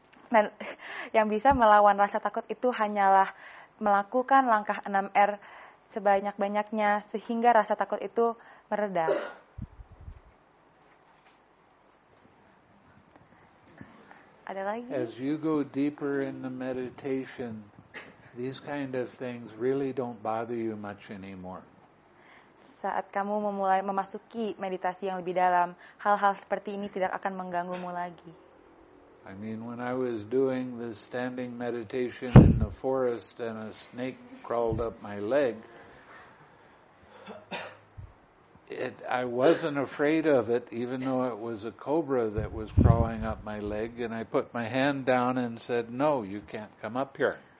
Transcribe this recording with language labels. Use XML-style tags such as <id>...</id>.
<id>Dan yang bisa melawan rasa takut itu hanyalah melakukan langkah 6R sebanyak-banyaknya sehingga rasa takut itu mereda. Ada lagi?</id> <en>As you go deeper in the meditation, these kind of things really don't bother you much anymore.</en> <id>Saat kamu memulai memasuki meditasi yang lebih dalam, hal-hal seperti ini tidak akan mengganggumu lagi.</id> <en>I mean, when I was doing the standing meditation in the forest and a snake crawled up my leg, I wasn't afraid of it, even though it was a cobra that was crawling up my leg, and I put my hand down and said, no, you can't come up here.</en>